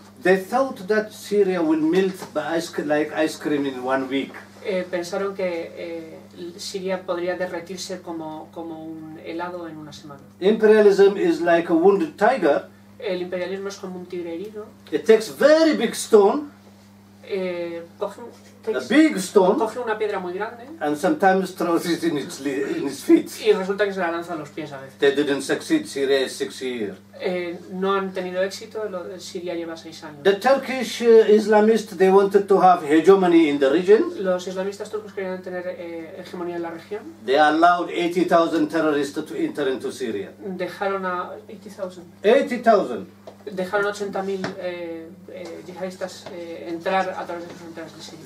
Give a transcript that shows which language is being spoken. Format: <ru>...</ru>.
<en>They thought that Syria will melt like ice cream in one week.</en> <es>Pensaron que Siria podría derretirse como un helado en una semana.</es> <en>Imperialism is like a wounded tiger.</en> <es>El imperialismo es como un tigre herido.</es> <en>It takes very big stone.</en> <es>Coge una piedra muy grande.</es> <en>And sometimes throws it in its feet.</en> <es>Y resulta que se la lanza a los pies a veces.</es> <en>They didn't succeed. Syria is 6 years.</en> <es>No han tenido éxito. Siria lleva 6 años.</es> <en>The Turkish Islamists, they wanted to have hegemony in the region.</en> <es>Los islamistas turcos querían tener hegemonía en la región.</es> <en>They allowed 80,000 terrorists to enter into Syria.</en> <es>Dejaron a 80,000. Dejaron 80,000 yihadistas entrar a través de sus fronteras de Siria.</es>